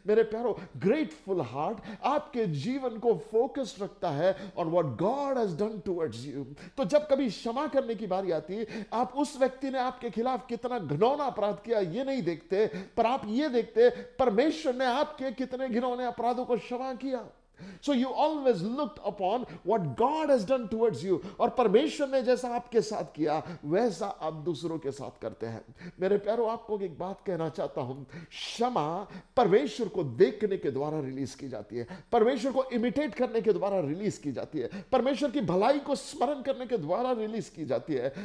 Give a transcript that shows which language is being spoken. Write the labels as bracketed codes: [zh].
[hi] मेरे प्यारो, grateful heart आपके जीवन को फोकस रखता है [en] On what God has done towards you. [hi] तो जब कभी क्षमा करने की बारी आती आप उस व्यक्ति ने आपके खिलाफ कितना घिनौना अपराध किया ये नहीं देखते, पर आप ये देखते परमेश्वर ने आपके कितने घिनौने अपराधों को क्षमा किया। [en] So you always looked upon what God has done towards you. [hi] और परमेश्वर ने जैसा आपके साथ किया वैसा आप दूसरों के साथ करते हैं. मेरे प्यारों आपको एक बात कहना चाहता हूं, क्षमा परमेश्वर को देखने के द्वारा रिलीज की जाती है, परमेश्वर को इमिटेट करने के द्वारा रिलीज की जाती है, परमेश्वर की भलाई को स्मरण करने के द्वारा रिलीज की जाती है.